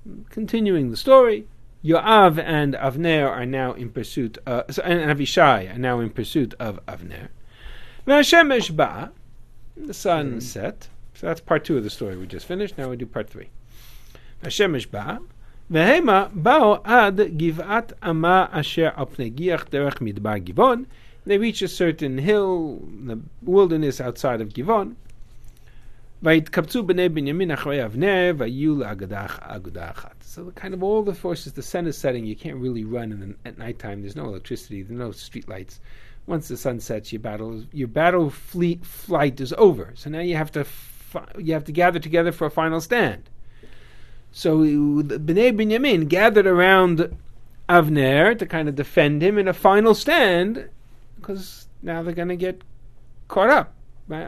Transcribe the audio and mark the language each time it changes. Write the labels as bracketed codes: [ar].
[en] Continuing the story, Yoav and Avner are now in pursuit and Avishai are now in pursuit of Avner. [he] V'Hashemesh ba'a, [en] the sun set. So that's part two of the story we just finished. Now we do part three. V'Hashemesh ba'a, [he] והמה באו עד גבעת עמה אשר על פני גיח דרך מדבר גבעון. [en] They reach a certain hill, the wilderness outside of Givon. [he] והתקבצו בני בנימין אחרי אבנר, והיו לאגדה אחת. [en] So kind of all the forces, the sun is setting, you can't really run in the, at night time, there's no electricity, there's no street lights. Once the sun sets, your battle flight is over. So now you have to gather together for a final stand. So Bnei Binyamin gathered around Avner to kind of defend him in a final stand, because now they're going to get caught up. Right?